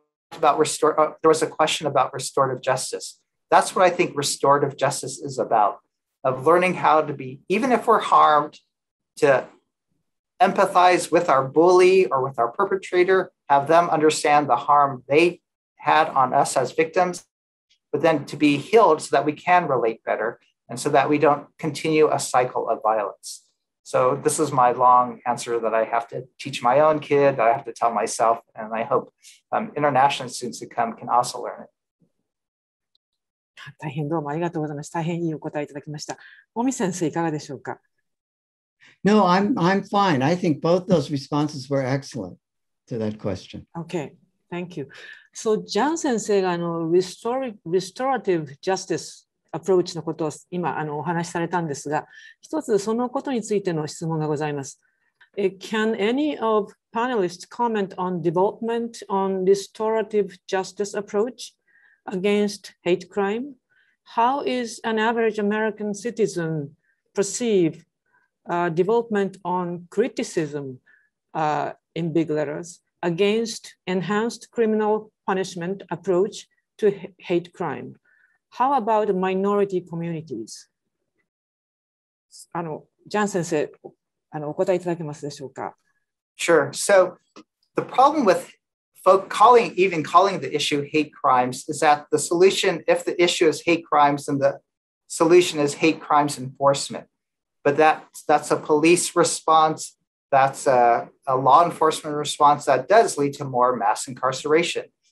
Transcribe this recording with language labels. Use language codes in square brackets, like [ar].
[en] There was a question about restorative justice. That's what I think restorative justice is about, of learning how to be, even if we're harmed, to empathize with our bully or with our perpetrator, have them understand the harm they had on us as victims, but then to be healed so that we can relate better and so that we don't continue a cycle of violence. So this is my long answer that I have to teach my own kid, that I have to tell myself, and I hope international students who come can also learn it. [ja] 大変どうもありがとうございます。大変いいお答えいただきました。オミ先生いかがでしょうか。 [en] No, I'm fine. I think both those responses were excellent to that question. Okay, thank you. So, [ja] ジャン先生が restorative justice approach のことを今お話しされたんですが、一つそのことについての質問がございます。 [en] Can any of panelists comment on development on restorative justice approach against hate crime? How is an average American citizen perceive development on criticism in big letters against enhancedpunishment approach to hate crime. How about minority communities? [ja] ジャン先生、お答えいただけますでしょうか。 [en] Sure. So the problem with folk calling the issue hate crimes is that the solution, if the issue is hate crimes, then the solution is hate crimes enforcement. But that's a police response. That's a law enforcement response that does lead to more mass incarceration.